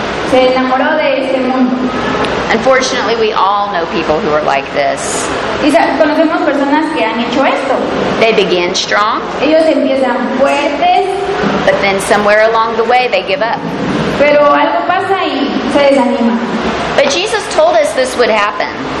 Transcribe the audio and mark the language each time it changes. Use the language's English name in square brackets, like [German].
[Spanish] Se enamoró de este mundo. [English] Unfortunately, we all know people who are like this. [Spanish] Conocemos personas que han hecho esto. [English] They begin strong. [Spanish] Ellos empiezan fuertes. [English] But then somewhere along the way, they give up. [Spanish] Pero algo pasa y se desanima. [English] But Jesus told us this would happen.